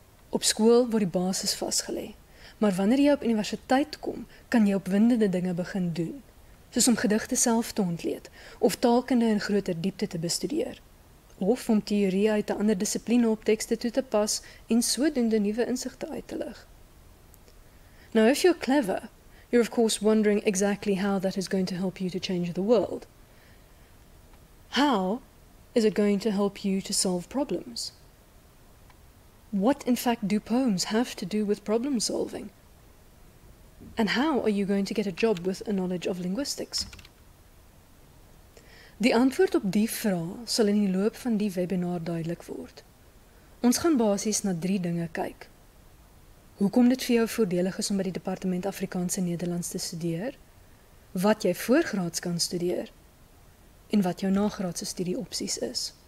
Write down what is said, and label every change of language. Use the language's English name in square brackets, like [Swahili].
[Afrikaans] Op skool word die basis vasgelê, maar wanneer jy op universiteit kom, kan jy opwindende dinge begin doen, soos om gedigte self te ontleed, of taalkunde in groter diepte te bestudeer, of om teorie uit 'n ander dissipline op tekste toe te pas en sodoende nuwe insigte uit te lig. [English] Now, if you're clever, you're of course wondering exactly how that is going to help you to change the world. How is it going to help you to solve problems? What, in fact, do poems have to do with problem solving? And how are you going to get a job with a knowledge of linguistics? [Afrikaans] Die antwoord op die vraag sal in die loop van die webinar duidelik word. Ons gaan basies na drie dinge kyk. Hoekom dit vir jou voordelig is om by die departement Afrikaans en Nederlands te studeer, wat jy voorgraads kan studeer, en wat jou nagraadse studie opsies is.